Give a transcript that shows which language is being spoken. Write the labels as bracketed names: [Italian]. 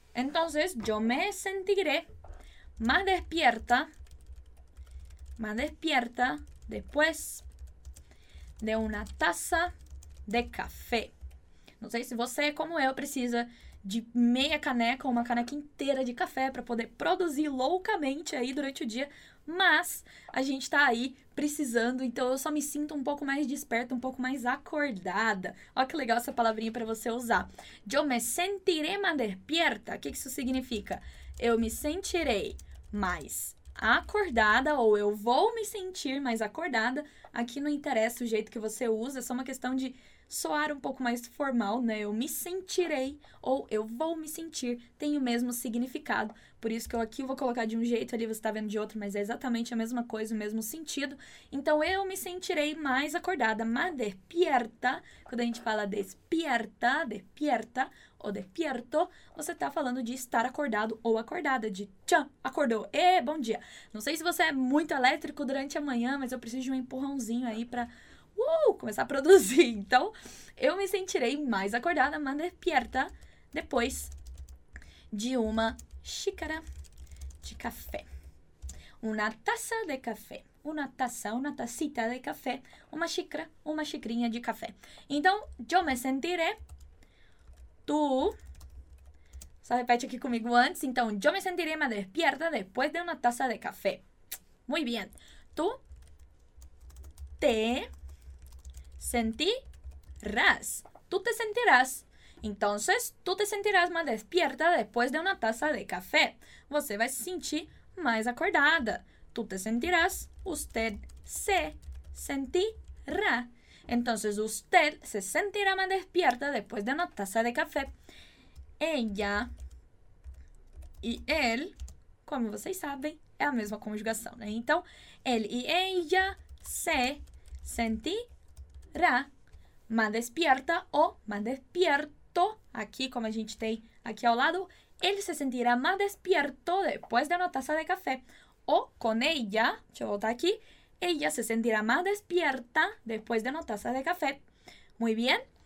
[Spanish] Então, yo me sentiré más despierta. Más despierta después de una taza de café. [Portuguese] Não sei se você, como eu, precisa de meia caneca ou uma caneca inteira de café para poder produzir loucamente aí durante o dia, mas a gente está aí precisando, então eu só me sinto um pouco mais desperta, um pouco mais acordada. Olha que legal essa palavrinha para você usar. [Spanish] Yo me sentiré más despierta. [Portuguese] O que isso significa? Eu me sentirei mais acordada, ou eu vou me sentir mais acordada. Aqui não interessa o jeito que você usa, é só uma questão de soar um pouco mais formal, né? Eu me sentirei ou eu vou me sentir tem o mesmo significado. Por isso que eu aqui vou colocar de um jeito, ali você está vendo de outro, mas é exatamente a mesma coisa, o mesmo sentido. Então eu me sentirei mais acordada, mais desperta. Quando a gente fala despierta, despierta ou despierto, você está falando de estar acordado ou acordada, de tchan, acordou. E bom dia. Não sei se você é muito elétrico durante a manhã, mas eu preciso de um empurrãozinho aí para começar a produzir. Então, eu me sentirei mais acordada, mais despierta depois de uma xícara de café. [Spanish] Una taza de café. Una taza, una tacita de café. [Portuguese] Uma xicrinha de café. Então, [Spanish] yo me sentiré. Tu. [Portuguese] Só repete aqui comigo antes. [Spanish] Então, yo me sentiré más despierta después de una taza de café. Muy bien. Tu. Te. Sentirás. Tú te sentirás. Entonces, tú te sentirás más despierta después de una taza de café. [Portuguese] Você vai se sentir mais acordada. [Spanish] Tú te sentirás. Usted se sentirá. Entonces, usted se sentirá más despierta después de una taza de café. [Portuguese] Ella y él, como vocês sabem, é a mesma conjugação, né? [Spanish] Então, él y ella se sentirá. Más despierta o más despierto. Aquí, [Portuguese] como a gente tem aqui ao lado, [Spanish] ele se sentirá más despierto después de una taza de café. O con ella, [Portuguese] deixa eu voltar aqui, [Spanish] ella se sentirá más despierta después de una taza de café. Muy bien.